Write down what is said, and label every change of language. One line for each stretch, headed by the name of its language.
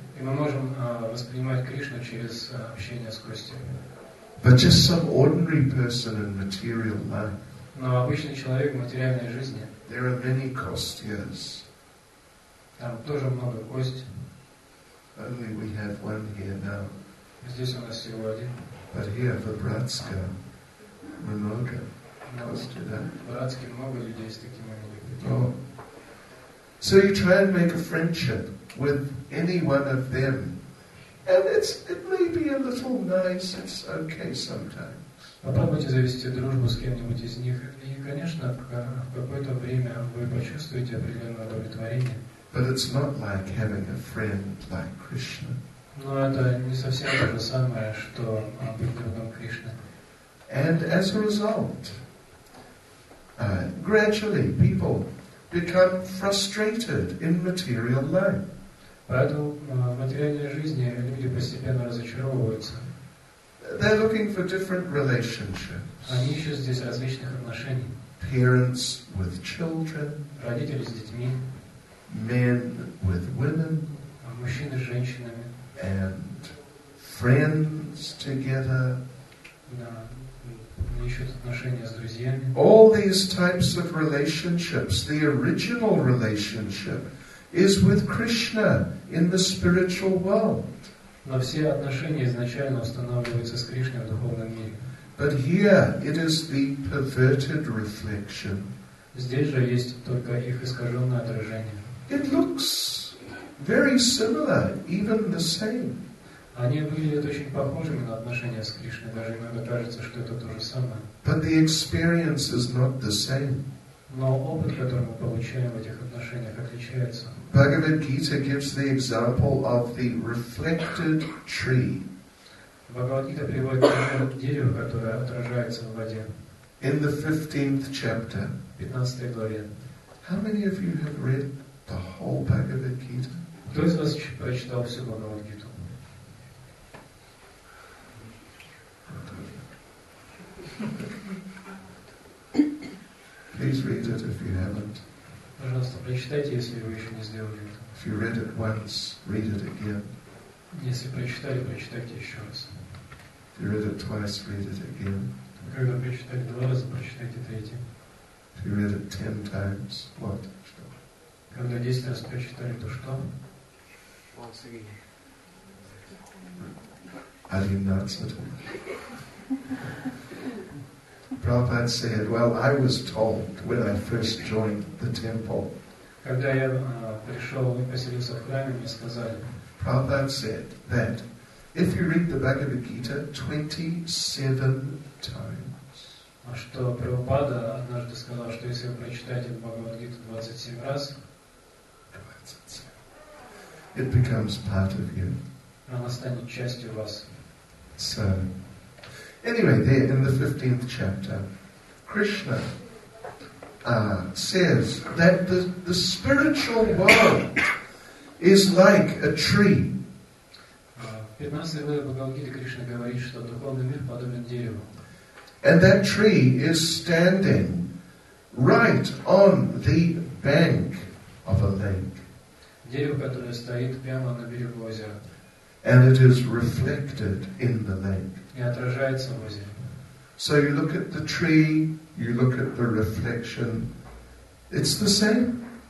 Russian: И мы можем воспринимать Кришну через общение с Костей.
English: But just some ordinary person in material life.
Russian: Но обычный человек в материальной жизни.
English: There are many Kostyas.
Russian: Там тоже много Кости.
English: Only we have one here now.
Russian: Здесь у нас всего один.
English: But here
Russian: в Братске много. Костя, да? В Братске много людей с таким именем.
English: So you try and make a friendship with any one of them, and it may be a little nice. It's okay sometimes.
Russian: Попробуйте завести дружбу с кем-нибудь из них. И, конечно, в какое-то время вы почувствуете определенное удовлетворение.
English: But it's not like having a friend like Krishna.
Russian: Но это не совсем то же самое, что быть другом Кришны.
English: And as a result, gradually people become frustrated in material life.
Russian: Поэтому в материальной жизни люди постепенно разочаровываются.
English: They're looking for different relationships.
Russian: Они ищут здесь различных отношений.
English: Parents with children.
Russian: Родители с детьми.
English: Men with women.
Russian: А мужчины с женщинами.
English: And friends together.
Russian: Да. Они ищут отношения с друзьями.
English: All these types of relationships, the original relationship is with Krishna in the spiritual world.
Russian: Но все отношения изначально устанавливаются с Кришной в духовном мире.
English: But here it is the perverted reflection.
Russian: Здесь же есть только их искаженное отражение.
English: It looks very similar, even the same.
Russian: Они выглядят очень похожими на отношения с Кришной, даже иногда кажется, что это то же самое.
English: But the experience is not the same.
Russian: Но опыт, который мы получаем в этих отношениях, отличается.
English: Bhagavad Gita gives the example of the reflected tree.
Russian: Bhagavad Gita приводит пример дерева, которое отражается в воде.
English: In the 15th chapter.
Russian: 15 главе.
English: How many of you have read the whole Bhagavad Gita?
Russian: Кто из вас прочитал всю Bhagavad Gita?
English: Please read it if you haven't.
Russian: Пожалуйста, прочитайте, если вы еще не сделали это.
English: If you read it once, read it again.
Russian: Если прочитали, прочитайте еще раз.
English: If you read it twice, read it again.
Russian: Когда прочитали два раза, прочитайте третий.
English: If you read it 10 times, what?
Russian: Что? Когда 10 раз прочитали, то что?
English: Once again.
Russian: Одиннадцать.
English: Prabhupada said, well, I was told when I first joined the temple.
Russian: Когда я пришел и поселился в храме, мне сказали.
English: Prabhupada said that if you read the Bhagavad Gita 27 times.
Russian: А что Прабхупада однажды сказал, что если вы прочитаете Бхагавад Гиту 27 раз,
English: it becomes part of you.
Russian: Она станет частью вас.
English: So, anyway, there in the 15th chapter, Krishna says that the spiritual world is like a tree.
Russian: В 15-й главе Бхагавад-гиты Кришна говорит, что духовный мир подобен дереву.
English: And that tree is standing right on the bank of a lake.
Russian: Дерево, которое стоит прямо на берегу озера.
English: And it is reflected in the lake.
Russian: И отражается в озере.
English: So you look at the tree, you look at the reflection, it's the same.